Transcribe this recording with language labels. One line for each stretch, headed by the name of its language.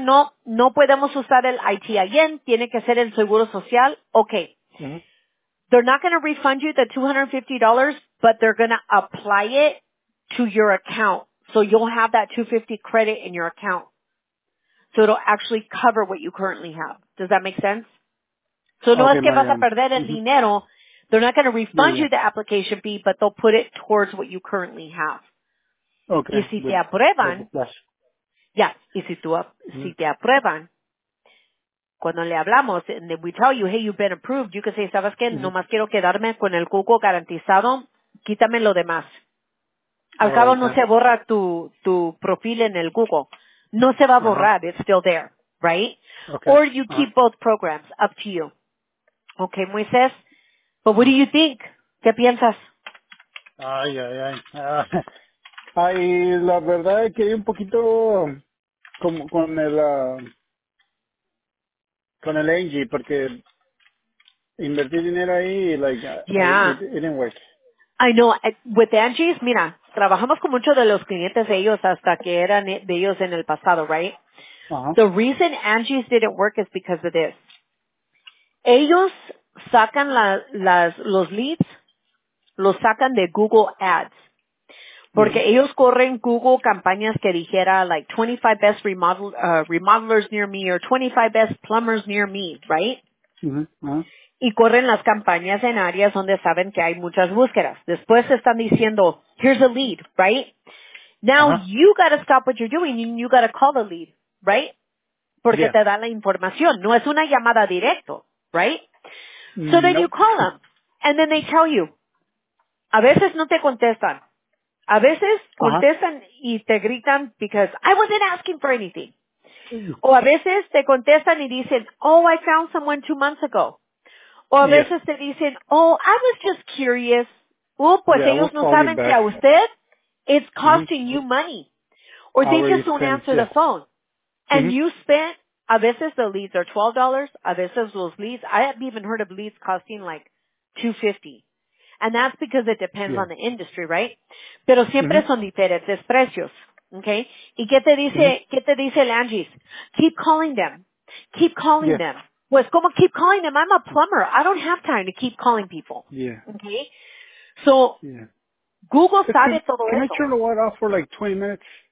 Spanish: No podemos usar el ITIN, tiene que ser el seguro social, ok. Mm-hmm.
English: They're not going to refund you the $250, but they're going to apply it to your account. So you'll have that $250 credit in your account. So it'll actually cover what you currently have. Does that make sense?
Spanish: So no es que vas a perder el dinero.
English: They're not going to refund you the application fee, but they'll put it towards what you currently have. Okay.
Spanish: Y si te aprueban.
English: Yes. Yeah.
Spanish: Y si te aprueban. Cuando le hablamos,
English: and then we tell you, hey, you've been approved, you can say,
Spanish: ¿sabes qué?
English: Mm-hmm.
Spanish: Nomás quiero quedarme con el cuco garantizado, quítame lo demás. Al cabo no se borra tu profil en el cuco. No se va a borrar, uh-huh.
English: it's still there, right? Okay. Or you keep both programs, up to you. Okay, Moises, but what do you think?
Spanish: ¿Qué piensas? Ay, ay, ay. Ay, la verdad es que hay un poquito como con el... con el Angie, porque invertí dinero ahí, like,
English: yeah. it didn't work. I know. With Angie's,
Spanish: mira, trabajamos con muchos de los clientes de ellos hasta que eran de ellos en el pasado, right? Uh-huh.
English: The reason Angie's didn't work is because of this.
Spanish: Ellos sacan los leads, los sacan de Google Ads. Porque ellos corren Google campañas que dijera,
English: like, 25 best remodelers near me or 25 best plumbers near me, right? Uh-huh.
Spanish: Y corren las campañas en áreas donde saben que hay muchas búsquedas. Después están diciendo,
English: here's a lead, right? Now uh-huh. you got to stop what you're doing and you got to call the lead, right?
Spanish: Porque
English: yeah.
Spanish: te da la información. No es una llamada directo, right? So
English: nope. then you call them and then they tell you.
Spanish: A veces no te contestan. A veces contestan uh-huh. y te gritan
English: because I wasn't asking for anything.
Spanish: O a veces te contestan y dicen,
English: oh, I found someone 2 months ago.
Spanish: O a veces te dicen,
English: oh, I was just curious.
Spanish: Pues ellos no saben que a usted
English: it's costing you money. Or they just don't answer the phone. And you spent,
Spanish: a veces
English: the leads are $12.
Spanish: A veces los leads,
English: I haven't even heard of leads costing like $250. And that's because it depends on the industry, right?
Spanish: Pero siempre mm-hmm. son diferentes precios, okay? ¿Y qué te dice, mm-hmm. qué te dice el Angie's?
English: Keep calling them. Keep calling them.
Spanish: Pues, ¿cómo
English: keep calling them? I'm a plumber. I don't have time to keep calling people. Yeah. Okay? So,
Spanish: Google sabe todo
English: can
Spanish: eso.
English: Can I turn the light off for like 20 minutes?